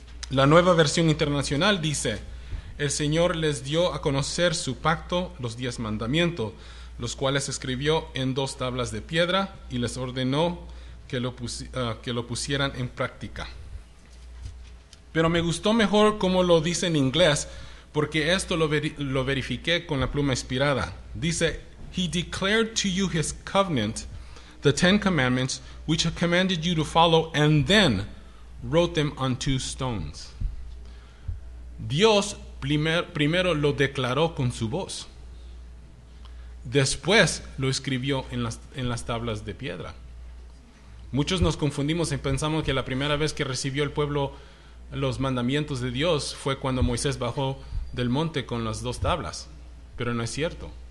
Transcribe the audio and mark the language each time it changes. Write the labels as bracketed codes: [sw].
[es] La nueva versión internacional dice, el Señor les dio a conocer su pacto, los 10 mandamientos, los cuales escribió en dos tablas de piedra y les ordenó que lo pusieran en práctica. Pero me gustó mejor cómo lo dice en inglés, porque esto lo verifiqué con la pluma inspirada. [en] Dice, He declared to you his covenant, the Ten Commandments, which I commanded you to follow, and then wrote them on two stones. [es] Dios primero lo declaró con su voz. Después lo escribió en las tablas de piedra. Muchos nos confundimos y pensamos que la primera vez que recibió el pueblo los mandamientos de Dios fue cuando Moisés bajó del monte con las dos tablas. Pero no es cierto.